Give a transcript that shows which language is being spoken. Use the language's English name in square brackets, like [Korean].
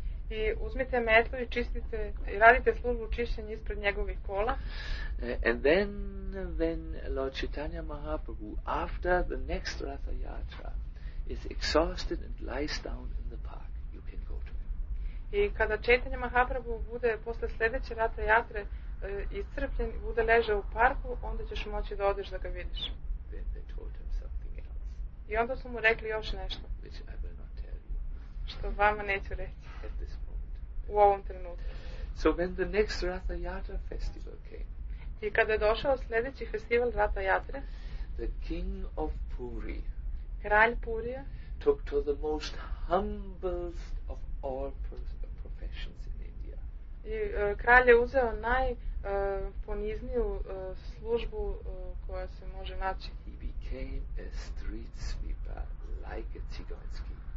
[Serbian] I uzmite metlu i čistite i radite službu čišćenja ispred njegovih kola. [English] And then when Lord Chaitanya Mahaprabhu after the next Ratha Yatra is exhausted and lies down in the park, you can go to him. [Serbian] I kada Chaitanya Mahaprabhu bude posle sledeće Ratha Yatre iscrpljen i bude ležao u parku, onda ćeš moći da odeš da ga vidiš. [English] They told him something else. [Serbian] I onda su mu rekli još nešto. [English] Which I will not tell you. [Serbian] Što vama neću reći. [English] At this moment. [Serbian] U ovom trenutku. [English] So when the next Ratha Yatra festival came. [Serbian] I kada je došao sljedeći festival Ratha Yatre. [English] The king of Puri. [Serbian] Kralj Purija. [English] Took to the most humblest of all professions in India. [Serbian] I kralj je uzeo naj ponizniju službu koja se može naći. [English] He became a street sweeper like a Tsiganski.